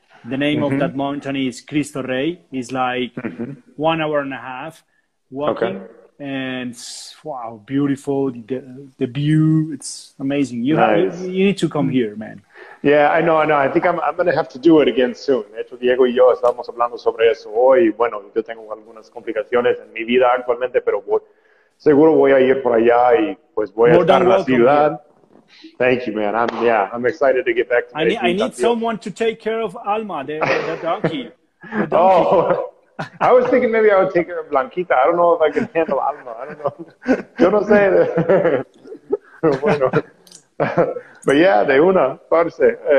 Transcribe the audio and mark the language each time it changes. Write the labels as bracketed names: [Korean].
[English] The name mm-hmm. of that mountain is Cristo Rey. It's like mm-hmm. 1 hour and a half. Walking okay. and wow, beautiful the view. It's amazing. You nice. Have you need to come here, man. Yeah, I know. I think I'm gonna have to do it again soon. [Spanish] De hecho, Diego y yo estábamos hablando sobre eso hoy. Bueno, yo tengo algunas complicaciones en mi vida actualmente, pero seguro voy a ir por allá y pues voy [English] More [Spanish] a estar en la ciudad. [English] Here. Thank you, man. I'm excited to get back to. I need someone to take care of Alma, the donkey. Oh. I was thinking maybe I would take care of Blanquita. I don't know if I can handle Alma. I don't know. [Spanish] Yo no sé. Bueno. [English] But yeah, [Spanish] de una, parce.